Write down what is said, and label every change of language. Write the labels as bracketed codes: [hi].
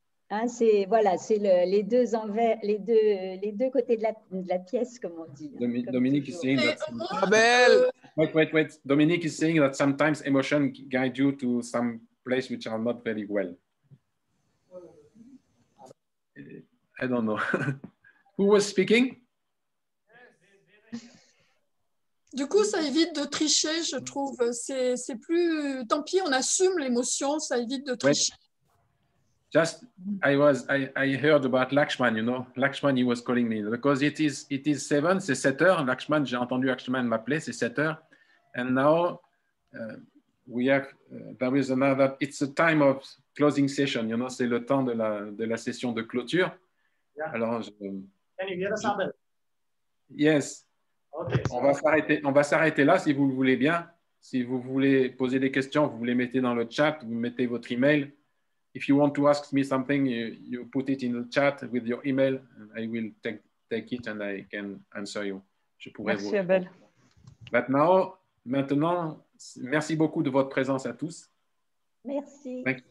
[fr] Hein, c'est les deux envers, les deux côtés de la pièce, comme on dit. [en] Dominique is saying that. Abel. Wait. Dominique is saying that sometimes emotion guide you to some place which are not very well. I don't know. Who was speaking? [fr] Du coup, ça évite de tricher, je trouve. C'est plus... Tant pis, on assume l'émotion, ça évite de tricher. [en] Just, I heard about Lakshman, you know. Lakshman, he was calling me. Because it is 7, [fr] c'est 7 heures. Lakshman, j'ai entendu Lakshman m'appeler, c'est 7 heures. [en] And now, there is another... It's a time of closing session, you know. [fr] C'est le temps de la session de clôture. [en] Yeah. Alors, can you hear us, Abel? Yes. Okay, [fr] on va s'arrêter là, si vous le voulez bien. Si vous voulez poser des questions, vous les mettez dans le chat, vous mettez votre email. [en] If you want to ask me something, you put it in the chat with your email, and I will take it and I can answer you. [fr] Je pourrais merci, vous... Abel. [en] But now, [fr] maintenant, merci beaucoup de votre présence à tous. Merci.